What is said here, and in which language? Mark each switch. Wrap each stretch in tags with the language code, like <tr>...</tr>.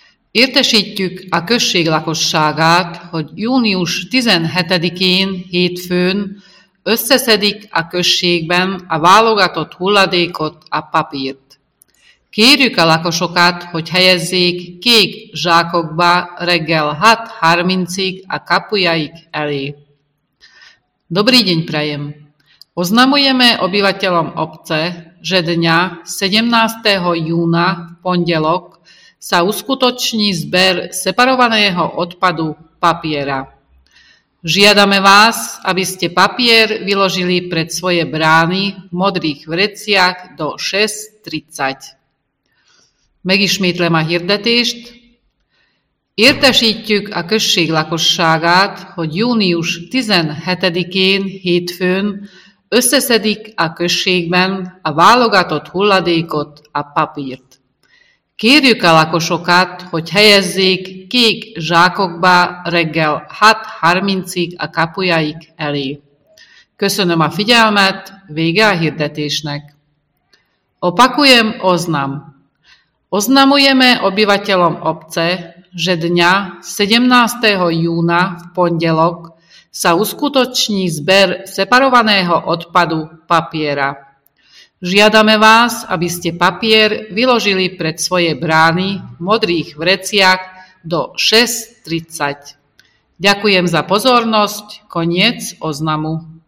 <hu>Értesítjük a község lakosságát, hogy június 17-én hétfőn összeszedik a községben a válogatott hulladékot, a papírt. Kérjük a lakosokat, hogy helyezzék kék zsákokba reggel 6:30-ig a kapujaik elé.</hu> <sk>Dobrý deň prajem! Oznamujeme obyvateľom obce, že dňa 17. júna v pondelok sa uskutoční zber separovaného odpadu papiera. Žiadame vás, aby ste papier vyložili pred svoje brány v modrých vreciach do 6:30.</sk> <hu>Megismétlem a hirdetést. Értesítjük a község lakosságát, hogy június 17-én hétfőn összeszedik a községben a válogatott hulladékot, a papírt. Kérjük a lakosokat, hogy helyezzék kék zsákokba reggel 6:30-ig a kapujaik elé. Köszönöm a figyelmet, vége a hirdetésnek.</hu> <sk>Opakujem oznam. Oznamujeme obyvateľom obce, že dňa 17. júna v pondelok sa uskutoční zber separovaného odpadu papiera. Žiadame vás, aby ste papier vyložili pred svoje brány v modrých vreciach do 6:30. Ďakujem za pozornosť. Koniec oznamu.</sk>